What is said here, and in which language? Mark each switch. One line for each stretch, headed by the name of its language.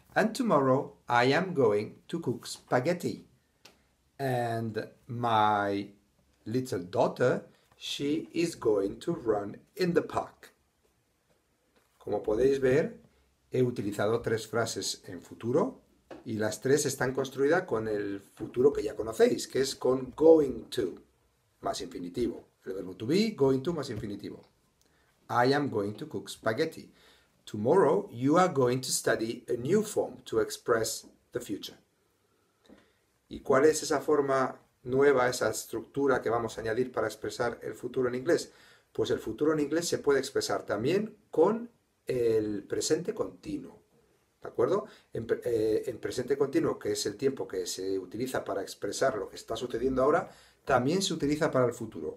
English: And tomorrow I am going to cook spaghetti. And my little daughter, she is going to run in the park.
Spanish: Como podéis ver, he utilizado tres frases en futuro. Y las tres están construidas con el futuro que ya conocéis, que es con going to, más infinitivo. El verbo to be, going to, más infinitivo.
English: I am going to cook spaghetti. Tomorrow you are going to study a new form to express the future.
Spanish: ¿Y cuál es esa forma nueva, esa estructura que vamos a añadir para expresar el futuro en inglés? Pues el futuro en inglés se puede expresar también con el presente continuo. ¿De acuerdo? En presente continuo, que es el tiempo que se utiliza para expresar lo que está sucediendo ahora, también se utiliza para el futuro.